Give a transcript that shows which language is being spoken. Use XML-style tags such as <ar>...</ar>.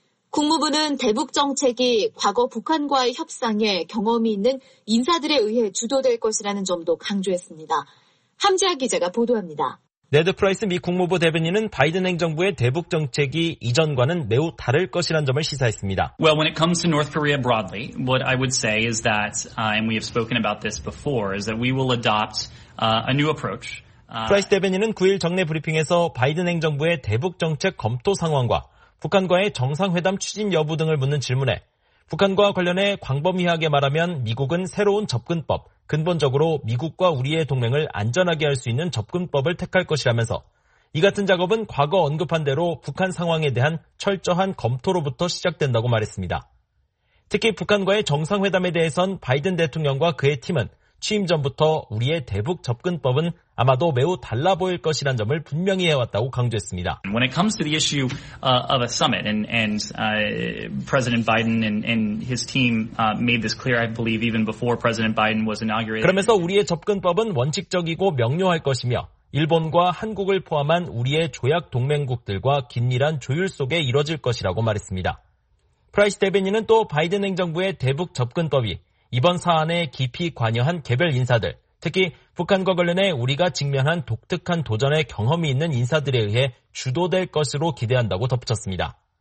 <ko>국무부는 대북 정책이 과거 북한과의 협상에 경험이 있는 인사들에 의해 주도될 것이라는 점도 강조했습니다. 함지아 기자가 보도합니다. 네드 프라이스 미 국무부 대변인은 바이든 행정부의 대북 정책이 이전과는 매우 다를 것이라는 점을 시사했습니다.</ko> <en>Well, when it comes to North Korea broadly, what I would say is that, and we have spoken about this before, is that we will adopt a new approach.</en> <ko>프라이스 대변인은 9일 정례 브리핑에서 바이든 행정부의 대북 정책 검토 상황과 북한과의 정상회담 추진 여부 등을 묻는 질문에 북한과 관련해 광범위하게 말하면 미국은 새로운 접근법, 근본적으로 미국과 우리의 동맹을 안전하게 할 수 있는 접근법을 택할 것이라면서 이 같은 작업은 과거 언급한 대로 북한 상황에 대한 철저한 검토로부터 시작된다고 말했습니다. 특히 북한과의 정상회담에 대해선 바이든 대통령과 그의 팀은 취임 전부터 우리의 대북 접근법은 아마도 매우 달라 보일 것이란 점을 분명히 해왔다고 강조했습니다.</ko> <en>When it comes to the issue of a summit, and President Biden and his team made this clear, I believe even before President Biden was inaugurated.</en> <ko>그러면서 우리의 접근법은 원칙적이고 명료할 것이며 일본과 한국을 포함한 우리의 조약 동맹국들과 긴밀한 조율 속에 이뤄질 것이라고 말했습니다. 프라이스 대변인은 또 바이든 행정부의 대북 접근법이 이번 사안에 깊이 관여한 개별 인사들, 특히 북한과 관련해 우리가 직면한 독특한 도전의 경험이 있는 인사들에 의해 주도될 것으로 기대한다고 덧붙였습니다.</ko>